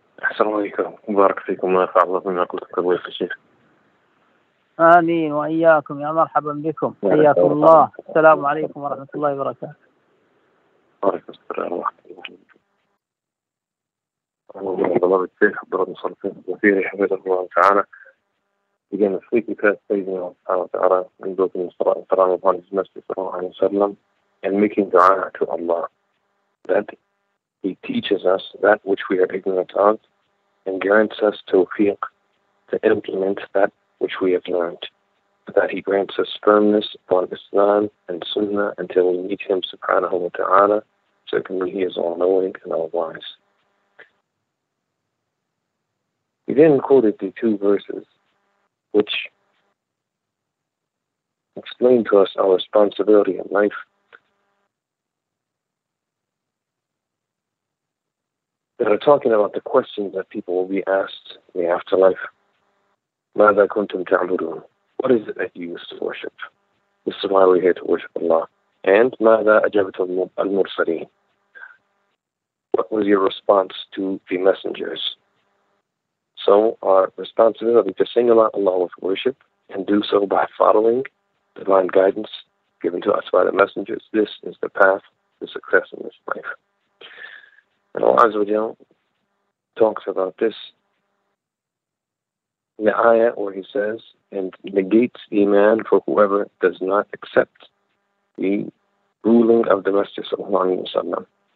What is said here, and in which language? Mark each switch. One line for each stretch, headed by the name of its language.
Arabic: السلام عليكم، بارك فيكم ونفع الله بما قلتكم يا شيخ. آمين وإياكم، يا مرحبا بكم، حياكم الله. السلام عليكم ورحمة الله وبركاته. وعليكم السلام ورحمة الله وبركاته. الله يبارك فيك، ربنا يصلحك وفيك، حفظك الله تعالى. إذن فيك كتاب سيدنا سبحانه وتعالى من دوت المصطفى صلى الله عليه وسلم،
English: and making dua to Allah that He teaches us that which we are ignorant of and grants us tawfiq to implement that which we have learned, that He grants us firmness upon Islam and Sunnah until we meet Him subhanahu wa ta'ala. Certainly He is all-knowing and all-wise. He then quoted the two verses which explain to us our responsibility in life. They are talking about the questions that people will be asked in the afterlife.
Arabic: ماذا كنتم تعبدون?
English: What is it that you used to worship? This is why we're here to worship Allah.
Arabic: And ماذا أجبت المرسلين?
English: What was your response to the messengers? So our responsibility to sing Allah with worship and do so by following divine guidance given to us by the messengers. This is the path to success in this life. And Allah Azza wa Jal talks about this in the ayah where He says, and negates iman for whoever does not accept the ruling of the Messenger sallallahu alayhi wa sallam.